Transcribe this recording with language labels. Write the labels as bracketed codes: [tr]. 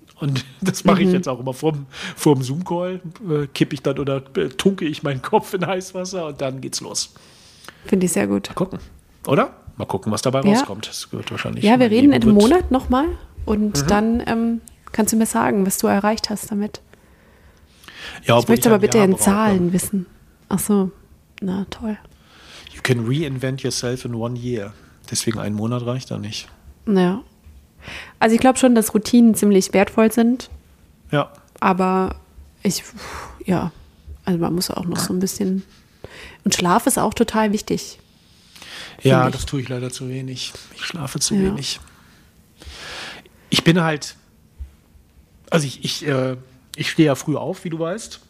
[de] Und das mache ich jetzt auch immer vorm Zoom-Call, kippe ich dann oder tunke ich meinen Kopf in Heißwasser und dann geht's los. Finde ich sehr gut. Mal gucken, oder? Mal gucken, was dabei rauskommt. Das gehört wahrscheinlich. Ja, wir reden in einem Monat nochmal und dann kannst du mir sagen, was du erreicht hast damit. Ja, ich möchte aber bitte in Zahlen wissen. Ach so, na toll. [en] You can reinvent yourself in 1 year. [de] Deswegen ein Monat reicht da nicht. Naja. Also ich glaube schon, dass Routinen ziemlich wertvoll sind. Ja. Aber also man muss auch noch so ein bisschen. Und Schlaf ist auch total wichtig. Ja, das tue ich leider zu wenig. Ich schlafe zu wenig. Ich bin halt, also ich stehe ja früh auf, wie du weißt.